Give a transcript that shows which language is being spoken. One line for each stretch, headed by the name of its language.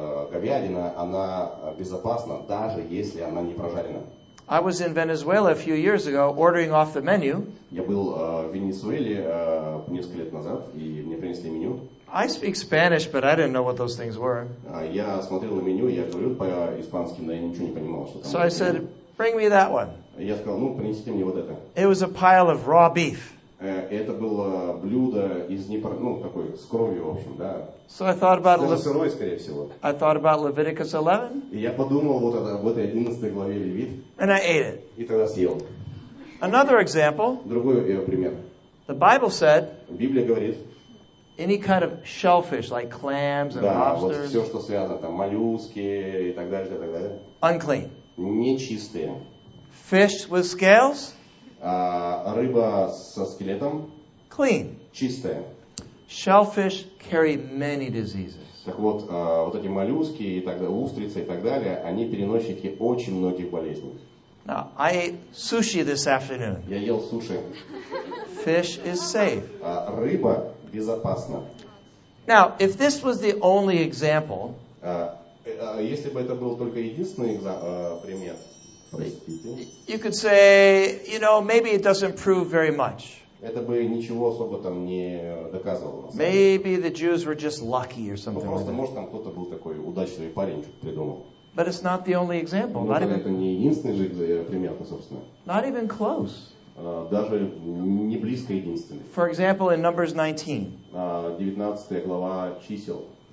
Russian: Говядина, она безопасна, даже если она не прожарена.
English: I was in Venezuela a few years ago, ordering off the menu.
Russian: Я был в Венесуэле несколько лет назад, и мне принесли меню.
English: I speak Spanish, but I didn't know what those things were.
Russian: Я смотрел на меню, я говорил по-испански, но я ничего не понимал, что там.
English: So I said, bring me that one.
Russian: Я сказал, ну, принесите мне вот это.
English: It was a pile of raw beef.
Russian: Это было блюдо из непро... ну, такой, с кровью, в общем, да.
English: So I thought about
Russian: сырой, скорее всего.
English: I thought about Leviticus 11.
Russian: И я подумал вот это, в этой 11 главе Левит.
English: And I ate it.
Russian: И тогда съел.
English: Another example.
Russian: Другой пример.
English: The Bible said.
Russian: Библия говорит.
English: Any kind of shellfish, like clams and lobsters.
Russian: Да, вот все, что связано, там, моллюски и так далее, и так далее.
English: Unclean.
Russian: Нечистые.
English: Fish with scales?
Russian: Рыба со скелетом?
English: Clean.
Russian: Чистая.
English: Shellfish carry many diseases.
Russian: Так вот, вот эти моллюски и так далее, устрицы и так далее, они переносчики очень многих болезней.
English: Now, I ate sushi this afternoon.
Russian: Я ел суши.
English: Fish is safe.
Russian: Рыба безопасна.
English: Now, if this was the only example,
Russian: если бы это был только единственный пример,
English: you could say, you know, maybe it doesn't prove very much.
Russian: Это бы ничего особо там не доказывало.
English: Maybe the Jews were just lucky or something.
Russian: Просто, like может, там кто-то был такой удачный парень, что-то придумал.
English: But it's not the only example. Not
Russian: это не единственный же пример, собственно.
English: Not even close.
Russian: Даже не близко единственный.
English: For example, in Numbers 19.
Russian: 19 глава чисел.